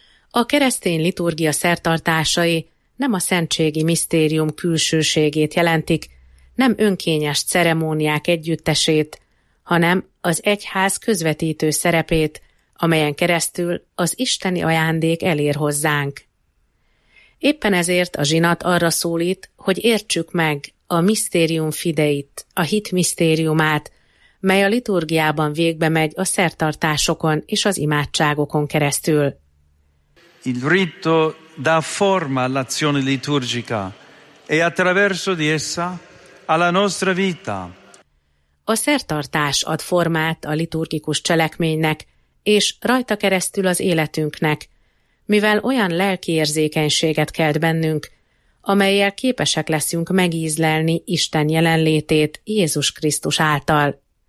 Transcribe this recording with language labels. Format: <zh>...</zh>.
<hu>A keresztény liturgia szertartásai nem a szentségi misztérium külsőségét jelentik, nem önkényes ceremóniák együttesét, hanem az egyház közvetítő szerepét, amelyen keresztül az isteni ajándék elér hozzánk. Éppen ezért a zsinat arra szólít, hogy értsük meg a misztérium fideit, a hit misztériumát, mely a liturgiában végbe megy a szertartásokon és az imádságokon keresztül.</hu> <it>Il rito dà forma all'azione liturgica e attraverso di essa alla nostra vita.</it> <hu>A szertartás ad formát a liturgikus cselekménynek, és rajta keresztül az életünknek, mivel olyan lelki érzékenységet kelt bennünk, amellyel képesek leszünk megízlelni Isten jelenlétét Jézus Krisztus által.</hu>